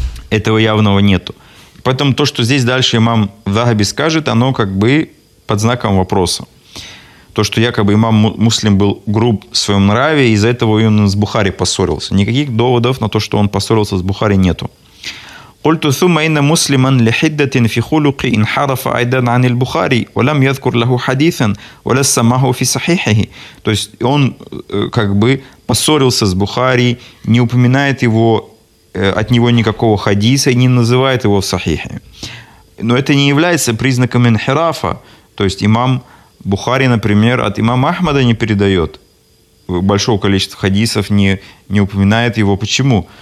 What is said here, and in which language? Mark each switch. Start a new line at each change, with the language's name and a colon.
Russian: Этого явного нету. Поэтому то, что здесь дальше имам Захаби скажет, оно как бы под знаком вопроса. То, что якобы имам Муслим был груб в своем нраве, из-за этого он с Бухари поссорился. Никаких доводов на то, что он поссорился с Бухари, нету.
Arabic: قلت ثم إن مسلما لحدة في خلقه انحرف أيضا عن البخاري ولم يذكر له حديثا ولا سماه في صحيحه.
Russian: То есть он как бы поссорился с Бухари, не упоминает его, от него никакого хадиса и не называет его в сахихе. Но это не является признаком инхирафа. То есть имам Бухари, например, от имама Ахмада не передает большого количества хадисов, не упоминает его. Почему?